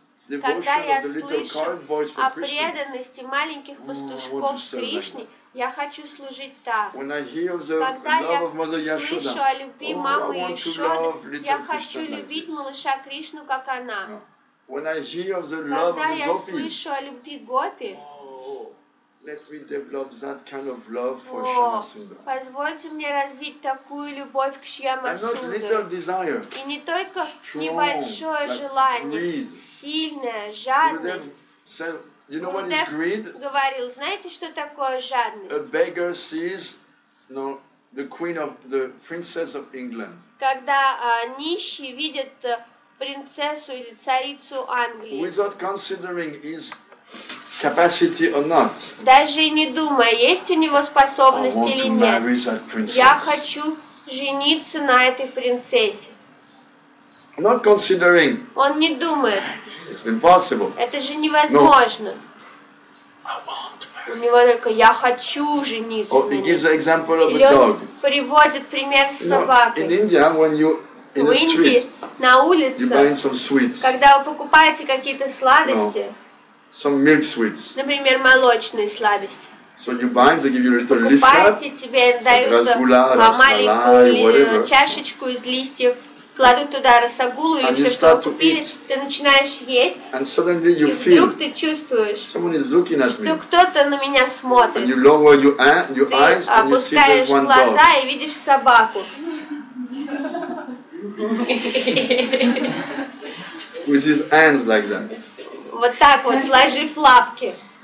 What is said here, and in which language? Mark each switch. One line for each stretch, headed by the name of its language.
Russian: Когда я слышу о преданности маленьких пастушков Кришне, я хочу служить так. Когда я слышу о любви мамы Яшоды, я хочу любить малыша Кришну, как она. Когда я слышу о любви Гопи,
English: let me develop that kind of love for Shyamasundara.
Russian: Позвольте мне развить такую любовь к Шьямасундаре. И не только небольшое желание, сильная жадность. Гурудев говорил, знаете, что такое жадность?
English: A beggar sees, the queen of the princess of England.
Russian: Когда нищий видит принцессу или царицу Англии.
English: Without considering his capacity or not.
Russian: Даже не думая, есть у него способность или нет. Я хочу жениться на этой принцессе.
English: Not considering.
Russian: Он не думает.
English: It's impossible.
Russian: Это же невозможно.
English: No.
Russian: У него только я хочу жениться.
English: Or he gives an example of
Russian: или
English: a dog.
Russian: Приводит пример с собакой.
English: In India, when you in
Russian: в Индии,
English: street,
Russian: на улице,
English: you buy some sweets.
Russian: Когда вы покупаете какие-то сладости.
English: No. Some milk sweets.
Russian: Например, молочные сладости.
English: So you buy, they give you a little leaf.
Russian: Покупаете, тебе дают маленькую чашечку из листьев, кладут туда расагулу или все, что купили, ты начинаешь есть.
English: And suddenly you feel.
Russian: Вдруг ты чувствуешь.
English: Someone is looking at me.
Russian: Что кто-то на меня смотрит.
English: And you lower your eyes and you see there's one dog.
Russian: Опускаешь глаза и видишь собаку.
English: With his hands like that.
Russian: Вот так вот, сложив лапки.